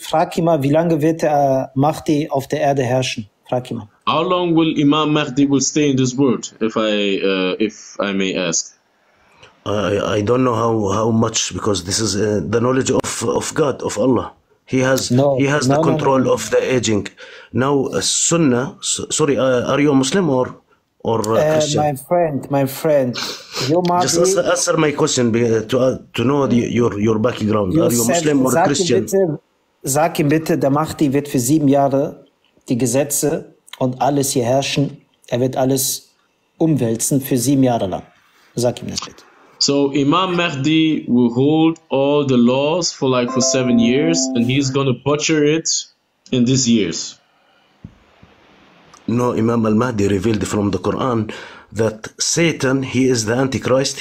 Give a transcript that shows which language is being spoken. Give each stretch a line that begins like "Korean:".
German: Frag ihn mal, wie lange wird Mahdi auf der Erde herrschen? Frag ihn mal.
English: How long will Imam Mahdi will stay in this world? If I may ask. I don't know how much, because this is the knowledge of God, of Allah. He has the control of the aging. Now, Sunnah. Sorry, are you a Muslim or a Christian? My friend, you must just answer my question to know your background. You are you Muslim or Christian?
German: Sag ihm bitte, der Mahdi wird für 7 Jahre die Gesetze und alles hier herrschen. Er wird alles umwälzen für 7 Jahre lang. Sag ihm das bitte.
English: So Imam Mahdi will hold all the laws for 7 years, and he's gonna butcher it in these years. No, Imam al-Mahdi revealed from the Quran that Satan, he is the Antichrist.